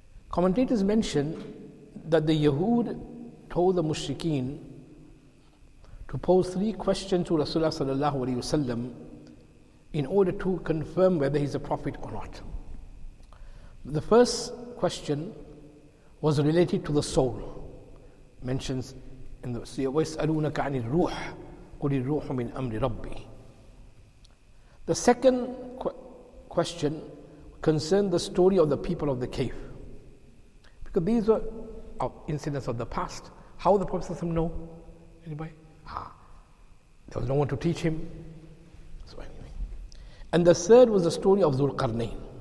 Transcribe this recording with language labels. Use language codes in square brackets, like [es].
[en] Commentators mention that the Yahud told the Mushrikeen to pose 3 questions to Rasulullah sallallahu alayhi wasallam in order to confirm whether he's a prophet or not. The first question was related to the soul. Mentions in the Surah, [ar] وَيَسْأَلُونَكَ عَنِ الْرُوحِ قُلِ الْرُوحُ مِنْ أَمْرِ رَبِّي. [en] The second question concerned the story of the people of the cave. Because these were incidents of the past. How the Prophet ﷺ know? Anybody? There was no one to teach him. So anyway. And the third was the story of Dhul-Qarnayn.